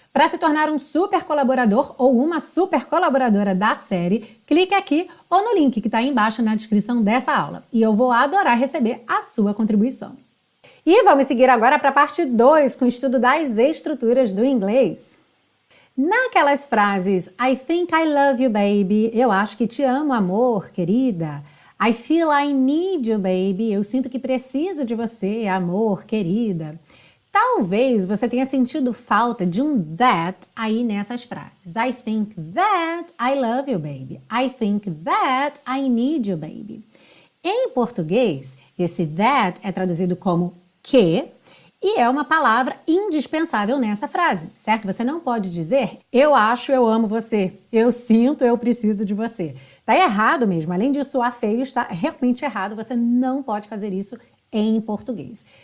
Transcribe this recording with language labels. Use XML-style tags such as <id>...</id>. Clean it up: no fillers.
<pt>Para se tornar um super colaborador ou uma super colaboradora da série, clique aqui ou no link que está aí embaixo na descrição dessa aula. E eu vou adorar receber a sua contribuição. E vamos seguir agora para a parte 2, com o estudo das estruturas do inglês. Naquelas frases,</pt> <en>I think I love you, baby.</en> <pt>Eu acho que te amo, amor, querida.</pt> <en>I feel I need you, baby.</en> <pt>Eu sinto que preciso de você, amor, querida. Talvez você tenha sentido falta de um that aí nessas frases.</pt> <en>I think that I love you, baby. I think that I need you, baby.</en> <pt>Em português, esse that é traduzido como que e é uma palavra indispensável nessa frase, certo? Você não pode dizer eu acho, eu amo você, eu sinto, eu preciso de você. Tá errado mesmo. Além de soar feio, está realmente errado. Você não pode fazer isso em português.</pt>